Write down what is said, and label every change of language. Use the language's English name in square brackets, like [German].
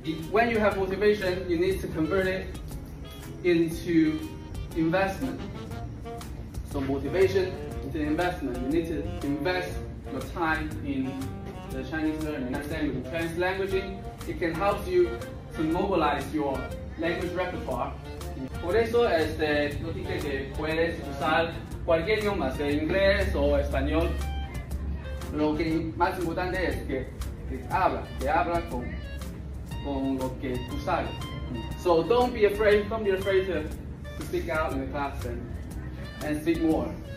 [English] When you have motivation, you need to convert it into investment. So motivation into investment. You need to invest your time in the Chinese learning. Understand with translanguaging, it can help you to mobilize your language repertoire. [Spanish] Por eso, no dije que puedes usar cualquier idioma, sea inglés o español. Lo que más importante es que Te habla con lo que tú sabes. [English] So don't be afraid to speak out in the classroom and speak more.